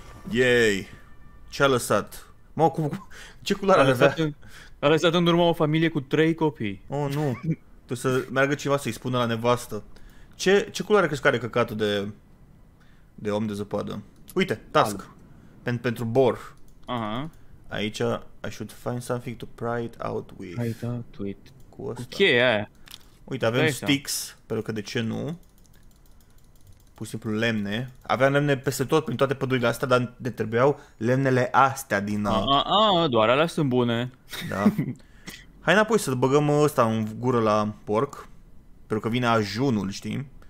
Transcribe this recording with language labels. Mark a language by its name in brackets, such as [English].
[Romanian] Yay! Ce-a lăsat? Mă, cum? Ce culoare avea? A lăsat în urmă o familie cu 3 copii. Oh, nu. Trebuie să meargă ceva să-i spună la nevastă. Ce culoare crezi că are căcatul de om de zăpadă? Uite, task. Pentru bor. Aha. Aici, [English] I should find something to pry it out with. Pry it out with. [Romanian] Cu ăsta. Cu cheia aia. Uite, avem sticks, pentru că de ce nu? Pur și simplu lemne. Aveam lemne peste tot, prin toate pădurile astea, dar ne trebuiau lemnele astea din... Doar alea sunt bune. Da. Hai înapoi să băgăm ăsta în gură la porc. Pentru că vine ajunul, știi?